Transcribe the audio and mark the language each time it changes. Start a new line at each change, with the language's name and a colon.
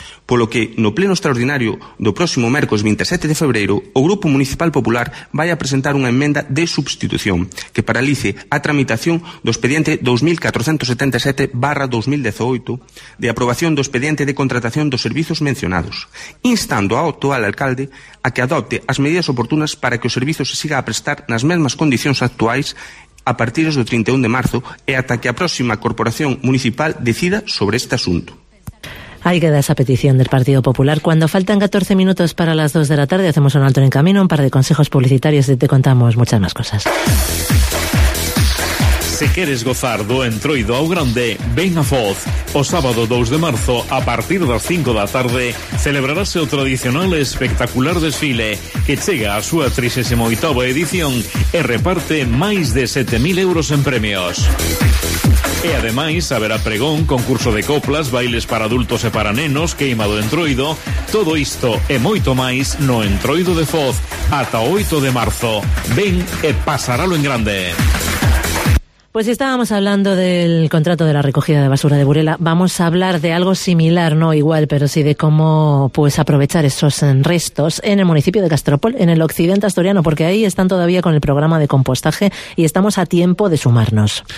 Galician: Polo que, no pleno extraordinario do próximo mércores 27 de febreiro, o Grupo Municipal Popular vai a presentar unha emenda de substitución que paralice a tramitación do expediente 2477/2018 de aprobación do expediente de contratación dos servizos mencionados, instando ao actual alcalde a que adopte as medidas oportunas para que o servizo se siga a prestar nas mesmas condicións actuais a partir do 31 de marzo e ata que a próxima corporación municipal decida sobre este asunto.
Spanish: Ahí queda esa petición del Partido Popular. Cuando faltan 14 minutos para las 2 de la tarde, hacemos un alto en el camino, un par de consejos publicitarios y te contamos muchas más cosas.
Galician: Se queres gozar do entroido ao grande, ven a Foz. O sábado 2 de marzo, a partir das 5 da tarde, celebrarase o tradicional e espectacular desfile que chega á súa 38ª edición e reparte máis de 7.000 euros en premios. E ademais, haberá pregón, concurso de coplas, bailes para adultos e para nenos, queima do entroido, todo isto e moito máis no entroido de Foz, ata 8 de marzo. Ven e pasaralo en grande.
Spanish: Pues estábamos hablando del contrato de la recogida de basura de Burela. Vamos a hablar de algo similar, no igual, pero sí de cómo pues aprovechar esos restos en el municipio de Castropol, en el occidente asturiano, porque ahí están todavía con el programa de compostaje y estamos a tiempo de sumarnos.